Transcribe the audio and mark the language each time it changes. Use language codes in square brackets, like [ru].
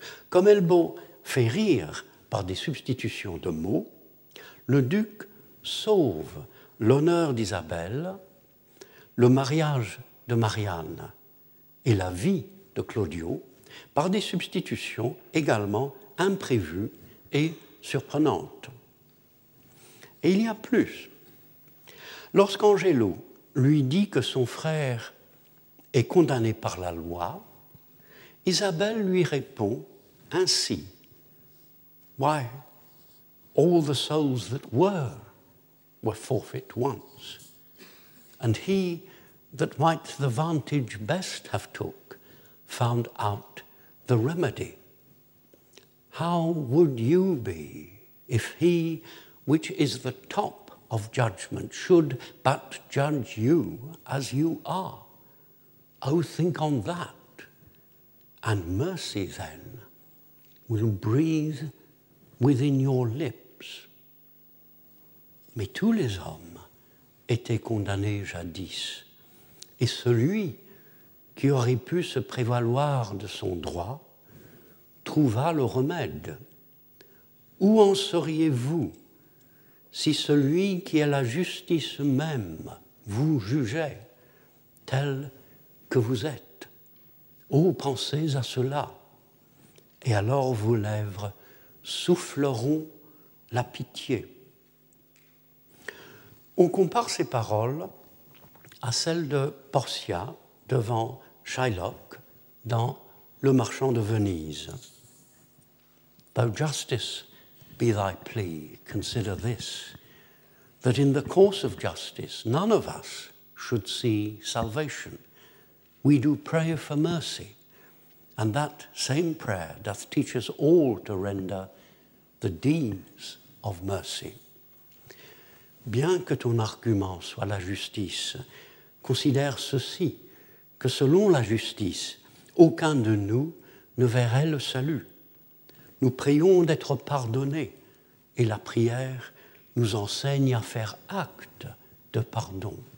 [fr] Comme Elbeau fait rire par des substitutions de mots, le duc sauve l'honneur d'Isabelle, le mariage de Marianne et la vie de Claudio par des substitutions également imprévues et surprenantes. Et il y a plus. Lorsqu'Angelo lui dit que son frère est condamné par la loi, Isabelle lui répond ainsi. [en] « Why, all the souls that were forfeit once, and he that might the vantage best have took, found out the remedy. How would you be if he which is the top of judgment should but judge you as you are? Oh, think on that, and mercy then will breathe within your lips. [fr] Mais tous les hommes étaient condamnés jadis, et celui qui aurait pu se prévaloir de son droit trouva le remède. Où en seriez-vous si celui qui est la justice même vous jugeait tel que vous êtes? Oh, pensez à cela, et alors vos lèvres souffleront la pitié. » On compare ces paroles à celles de Portia devant Shylock dans Le Marchand de Venise. [en] Though justice be thy plea, consider this, that in the course of justice none of us should see salvation. We do pray for mercy, and that same prayer doth teach us all to render the deeds of mercy. [fr] Bien que ton argument soit la justice, considère ceci, que selon la justice, aucun de nous ne verrait le salut. Nous prions d'être pardonnés, et la prière nous enseigne à faire acte de pardon.